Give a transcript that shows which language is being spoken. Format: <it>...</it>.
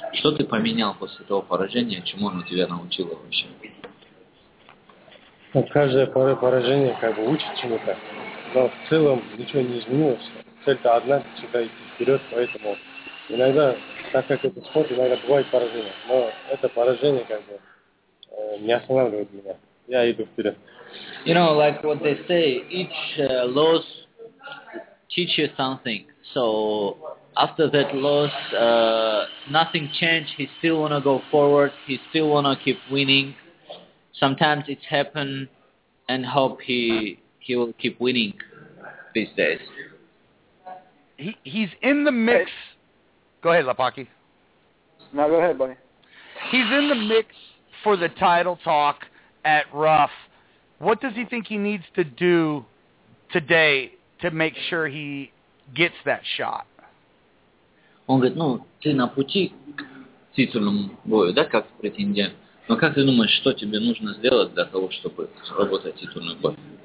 <ru>Что ты поменял после того поражения, чему оно тебя научило вообще? Ну, каждое поражение как бы учит чему-то, но в целом ничего не изменилось. Цель-то одна, всегда идти вперед, поэтому иногда, так как это спорт, иногда бывает поражение, но это поражение как бы...</ru> <en>You know, like what they say, each loss teaches something. So after that loss, nothing changed. He still want to go forward. He still want to keep winning. Sometimes it's happen and hope he will keep winning these days. He's in the mix. Hey. Go ahead, Lapaki. No, go ahead, buddy. He's in the mix for the title talk at Ruff. What does he think he needs to do today to make sure he gets that shot?</en> <ru>Он говорит, ну, ты на пути к титульному бою, да, как претендент. Но как ты думаешь, что тебе нужно сделать для того, чтобы заработать титульный бой?</ru>